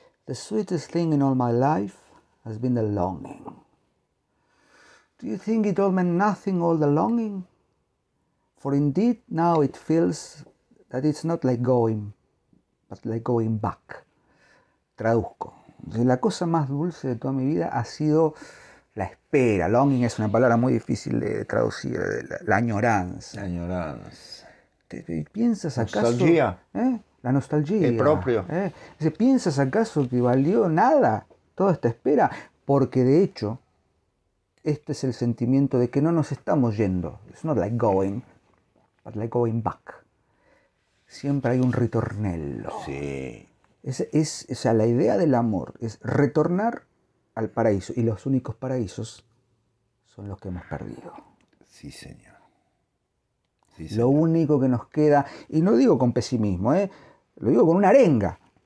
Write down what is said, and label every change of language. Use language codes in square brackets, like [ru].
[en] The sweetest thing in all my life has been the longing. Do you think it all meant nothing, all the longing? For indeed now it feels that it's not like going, but like going back. [es] Traduzco. La cosa más dulce de toda mi vida ha sido la espera. Longing es una palabra muy difícil de traducir, la añoranza. La añoranza. ¿Piensas acaso? Nostalgia. La nostalgia. El propio. ¿Piensas acaso que valió nada toda esta espera? Porque de hecho, este es el sentimiento de que no nos estamos yendo. [en] It's not like going, but like going back. [es] Siempre hay un ritornello. Sí. O sea, la idea del amor es retornar al paraíso. Y los únicos paraísos son los que hemos perdido. Sí, señor. Lo único que nos queda, y no digo con pesimismo, lo digo con una arenga.